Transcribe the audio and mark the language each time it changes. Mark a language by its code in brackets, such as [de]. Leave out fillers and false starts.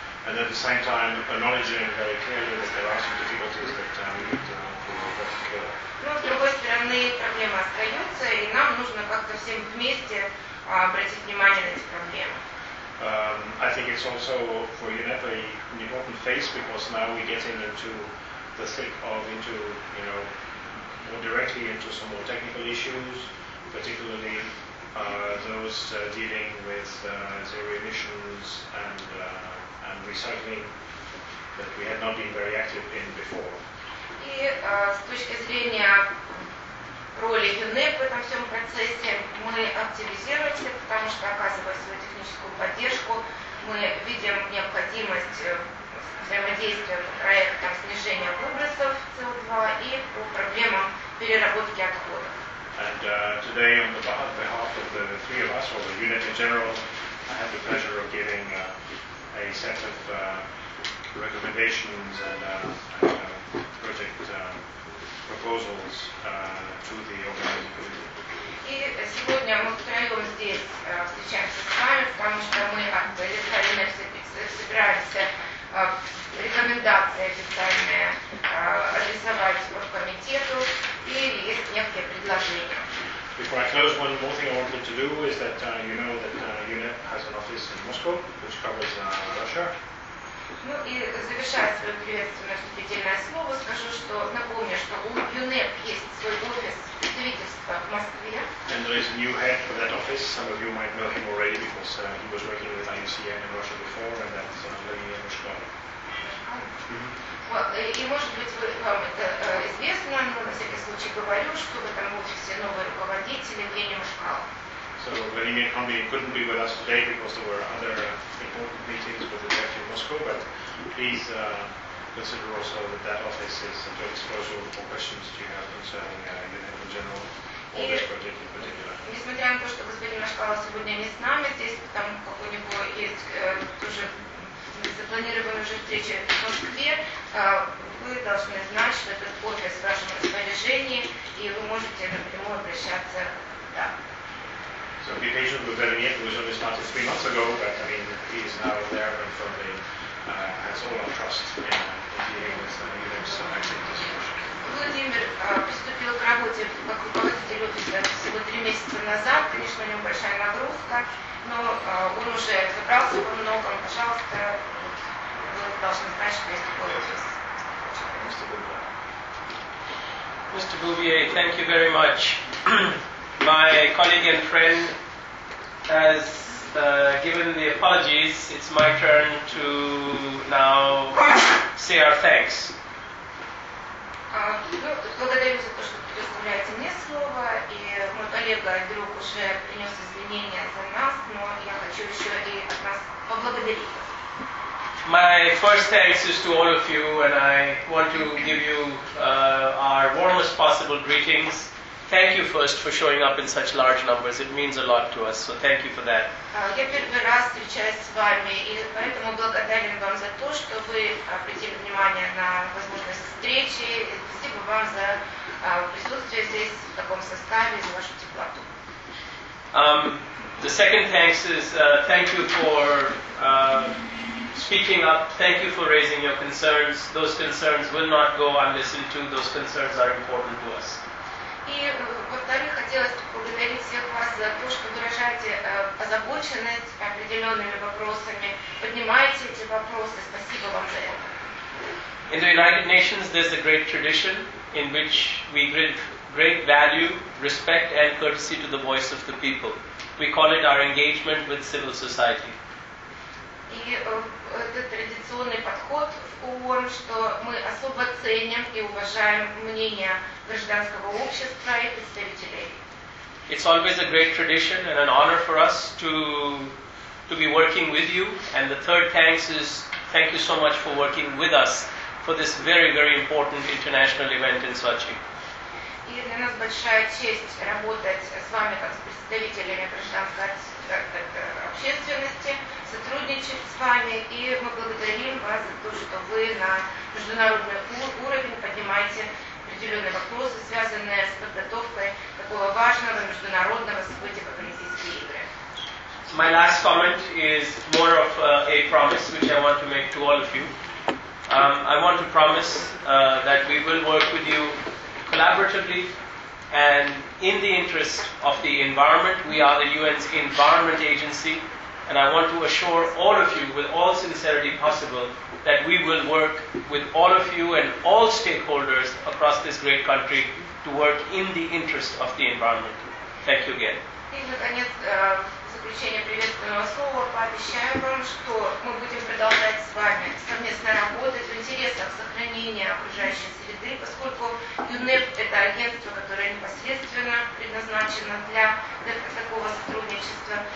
[en] And at the same time acknowledging very clearly that there are some difficulties that we need to work together. [ru] Но с другой стороны, проблемы остаются, и нам нужно как-то всем вместе обратить внимание на эти проблемы. [en] I think it's also for UNEP an important phase because now we're getting into the thick of more directly into some more technical issues, particularly those dealing with zero emissions and recycling that we had not been very active in before. [ru] И с точки зрения роли ЮНЕП в этом всем процессе. Мы активизируемся, потому что оказывая свою техническую поддержку, мы видим необходимость взаимодействия по проектам снижения выбросов CO2 и по проблемам переработки отходов. [en] And today, on behalf of the three of us, or the unit in general, I have the pleasure of giving a set of recommendations and project proposals to the organizing committee. [ru] И сегодня мы втроем здесь встречаемся с вами, потому что мы официально собираемся рекомендации официальные адресовать оргкомитету, и есть некие предложения. [en] Before I close, one more thing I wanted to do is that you know that UNEP has an office in Moscow, which covers Russia. [ru] Ну и завершая свое приветственное вступительное слово, скажу, что напомню, что у UNEP есть свой офис представительства в Москве. [en] And there is a new head for that office. Some of you might know him already because he was working with IUCN in Russia before, and that's Леонид Мушков. [ru] И может быть вам это известно, но на всякий случай говорю, что в этом офисе новый руководитель Евгений Мушкал. [en] So Vladimir Kombi couldn't be with us today because there were other important meetings with the director of Moscow, but please consider also that that office is at your disposal for questions that you have concerning UNEP in general or this project in particular. [ru] Несмотря на то, что господин Мушкал сегодня не с нами, здесь там какой-нибудь есть тоже запланированы уже встречи в Москве, вы должны знать, что этот офис в вашем распоряжении, и вы можете напрямую обращаться туда. [en] So be patient with Vladimir, who was only started 3 months ago, but I mean, he is now there and firmly has all our trust in dealing with some of UNEP's activities. [ru] Владимир приступил к работе как руководитель офиса всего 3 месяца назад. Конечно, у него большая нагрузка, но он уже собрался во многом. Пожалуйста, вы должны знать, что есть такой офис. [en] Mr. Bouvier, thank you very much. My colleague and friend has given the apologies. It's my turn to now say our thanks. [ru] Благодарю за то, что предоставляете мне слово, и мой коллега и друг уже принес извинения за нас, но я хочу еще и от нас поблагодарить. [en] My first thanks is to all of you, and I want to give you our warmest possible greetings. Thank you first for showing up in such large numbers. It means a lot to us, so thank you for that. [ru] Я первый раз встречаюсь с вами, и поэтому благодарен вам за то, что вы обратили внимание на возможность встречи. Спасибо вам за присутствие здесь в таком составе, за вашу теплоту. [en] The second thanks is thank you for speaking up. Thank you for raising your concerns. Those concerns will not go unlistened to. Those concerns are important to us. [ru] И, во-вторых, хотелось бы поблагодарить всех вас за то, что выражаете озабоченность определенными вопросами, поднимаете эти вопросы. Спасибо вам за это. [en] In the United Nations, there's a great tradition in which we give great value, respect and courtesy to the voice of the people. We call it our engagement with civil society. [ru] И это традиционный подход в ООН, что мы особо ценим и уважаем мнение гражданского общества и представителей. [en] It's always a great tradition and an honor for us to be working with you. And the third thanks is thank you so much for working with us for this very, very important international event in Sochi. [ru] И для нас большая честь работать с вами как с представителями гражданской общественности, сотрудничать с вами, и мы благодарим вас за то, что вы на международный уровень поднимаете определенные вопросы, связанные с подготовкой такого важного международного события, как Олимпийские игры. [en] My last comment is more of a promise, which I want to make to all of you. I want to promise that we will work with you collaboratively and in the interest of the environment. We are the UN's environment agency, and I want to assure all of you with all sincerity possible that we will work with all of you and all stakeholders across this great country to work in the interest of the environment. Thank you again. [ru] И, наконец, заключение приветственного слова, пообещаем вам, что мы будем продолжать с вами совместно работать в интересах сохранения окружающей среды, поскольку ЮНЕП – это агентство, которое непосредственно предназначено для такого сотрудничества.